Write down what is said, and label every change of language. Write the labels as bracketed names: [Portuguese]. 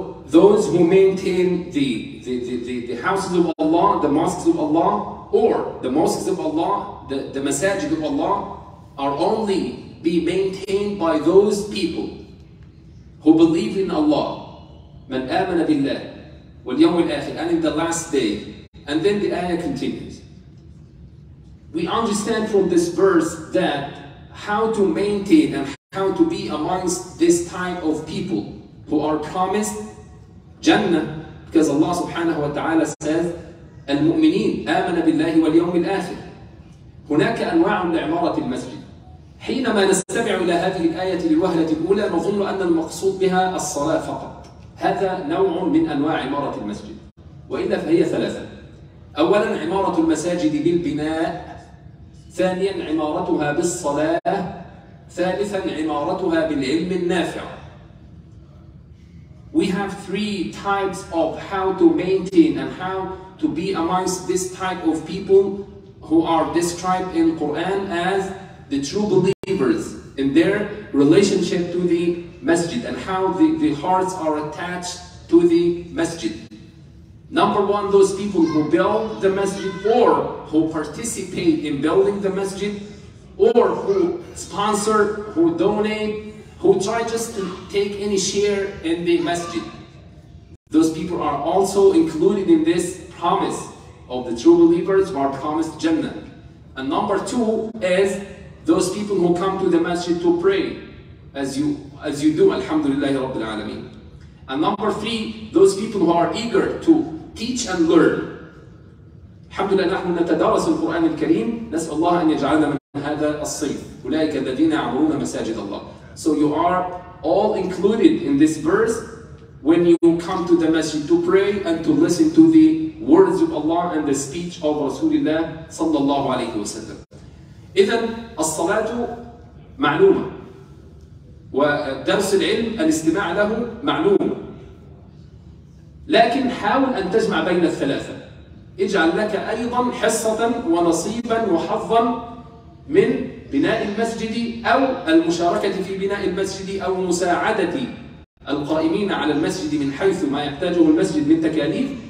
[English] Those who maintain the houses of Allah, the mosques of Allah, or the mosques of Allah, the masajid of Allah, are only be maintained by those people who believe in Allah. [Arabic] من آمن بالله واليوم الآخر, [English] and in the last day. And then the ayah continues. We understand from this verse that how to maintain and how to be amongst this type of people who are promised Jannah, because Allah subhanahu wa ta'ala says [Arabic] المؤمنين آمن بالله واليوم الآخر. هناك أنواع لعمارة المسجد. حينما نستمع إلى هذه الآية للوهلة الأولى نظن أن المقصود بها الصلاة فقط. هذا نوع من أنواع عمارة المسجد, وإلا فهي ثلاثة. أولا, عمارة المساجد بالبناء. ثانيا, عمارتها بالصلاة. ثالثاً, عمارتها بالعلم النافع. [English] We have three types of how to maintain and how to be amongst this type of people who are described in Quran as the true believers in their relationship to the masjid and how the hearts are attached to the masjid. Number one, those people who build the masjid or who participate in building the masjid, or who sponsor, who donate, who try just to take any share in the masjid. Those people are also included in this promise of the true believers who are promised Jannah. And number two is those people who come to the masjid to pray, as you do, Alhamdulillah Rabbil Alameen. And number three, those people who are eager to teach and learn. [Arabic] Alhamdulillah, نحن نتدرس القرآن الكريم, نسأل الله أن يجعلنا من هذا الصيف أولئك الذين يعمرون مساجد الله. [English] So you are all included in this verse when you come to the masjid to pray and to listen to the words of Allah and the speech of Rasulullah [Arabic] صلى الله عليه وسلم. إذا الصلاة معلومة ودرس العلم الاستماع له معلوم, لكن حاول أن تجمع بين الثلاثة. اجعل لك أيضا حصة ونصيبا وحظا من بناء المسجد أو المشاركة في بناء المسجد أو مساعدة القائمين على المسجد من حيث ما يحتاجه المسجد من تكاليف.